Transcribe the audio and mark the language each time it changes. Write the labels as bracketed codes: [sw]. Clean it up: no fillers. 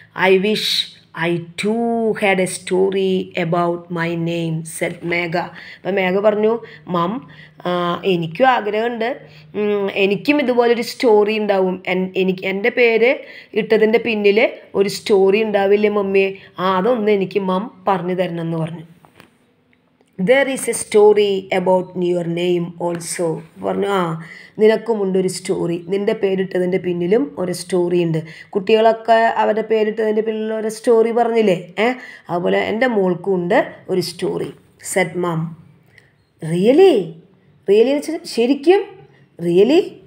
[en] I wish I too had a story about my name, said Megha. [ml] അപ്പം മേഘ പറഞ്ഞു, മം എനിക്കും ആഗ്രഹമുണ്ട്, എനിക്കും ഇതുപോലൊരു സ്റ്റോറി ഉണ്ടാവും, എനിക്ക് എൻ്റെ പേര് ഇട്ടതിൻ്റെ പിന്നിൽ ഒരു സ്റ്റോറി ഉണ്ടാവില്ലേ മമ്മിയെ, ആ അതൊന്ന് എനിക്ക് മം പറഞ്ഞു തരണം എന്ന് പറഞ്ഞു. [en] There is a story about your name also. [ml] പറഞ്ഞു, ആ നിനക്കുമുണ്ട് ഒരു സ്റ്റോറി, നിൻ്റെ പേരിട്ടതിൻ്റെ പിന്നിലും ഒരു സ്റ്റോറി ഉണ്ട്. കുട്ടികളൊക്കെ അവരുടെ പേരിട്ടതിൻ്റെ പിന്നിലും ഒരു സ്റ്റോറി പറഞ്ഞില്ലേ, അതുപോലെ എൻ്റെ മോൾക്കും ഉണ്ട് ഒരു സ്റ്റോറി. [en] Said mom, really? Really [ml] എന്ന് വെച്ചാൽ ശരിക്കും? [en] Really?